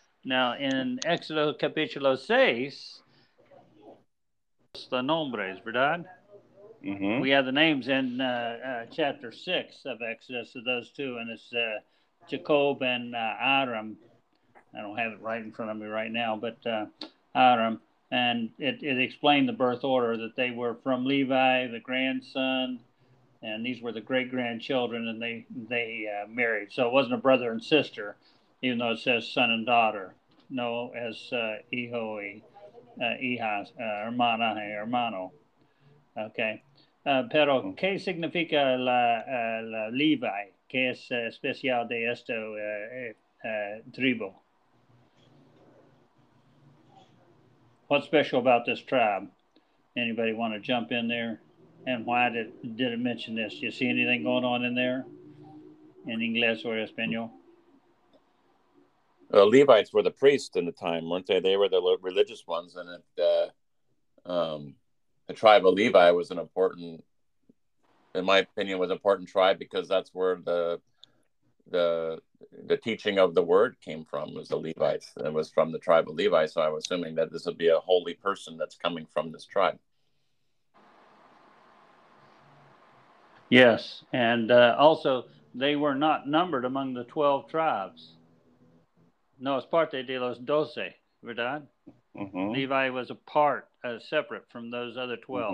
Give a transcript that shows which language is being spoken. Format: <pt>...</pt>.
<en>Now, in Exodus capítulo 6, the</en> <es>nombres, ¿verdad?</es> <en>Mm-hmm. We have the names in chapter 6 of Exodus of those two, and it's Jacob and Aram. I don't have it right in front of me right now, but Aram. And it explained the birth order, that they were from Levi, the grandson, and these were the great-grandchildren, and they married. So it wasn't a brother and sister, even though it says son and daughter.</en> <es>No, as hijo y hijas, hermana y hermano. Okay. Pero, ¿qué significa la Levi? ¿Qué es especial de esto tribo?</es> <en>What's special about this tribe? Anybody want to jump in there? And why did it mention this? Do you see anything going on in there? In inglés or español? Well, Levites were the priests in the time, weren't they? They were the religious ones, and the tribe of Levi was an important, in my opinion, was an important tribe because that's where the teaching of the word came from, was the Levites. It was from the tribe of Levi, so I'm assuming that this would be a holy person that's coming from this tribe. Yes, and also they were not numbered among the 12 tribes.</en> <es>No,</es> <en>it's</en> <es>parte de los doce, ¿verdad? Mm-hmm.</es> <en>Levi was a part, separate from those other 12.</en>